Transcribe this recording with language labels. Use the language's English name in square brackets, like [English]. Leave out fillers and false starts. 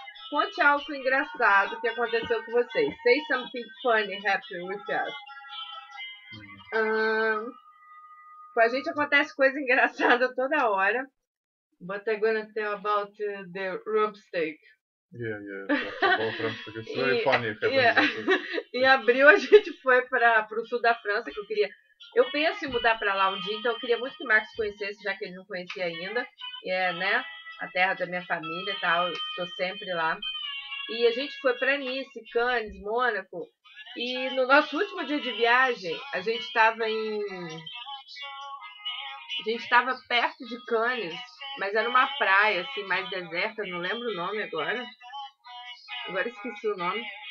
[Portuguese] Conte algo engraçado que aconteceu com vocês. [English] Say something funny happened with us. [Portuguese] Com a gente acontece coisa engraçada toda hora. [English] But I'm gonna tell about the rump steak. Yeah. [Portuguese] Em abril a gente foi pro sul da França, que eu queria... Eu penso em mudar pra lá um dia, então eu queria muito que o Marcos conhecesse, já que ele não conhecia ainda. E é, né, a terra da minha família e tal, tô sempre lá. E a gente foi pra Nice, Cannes, Mônaco. E no nosso último dia de viagem, a gente tava perto de Cannes, mas era uma praia, assim, mais deserta, não lembro o nome agora. Agora esqueci o nome.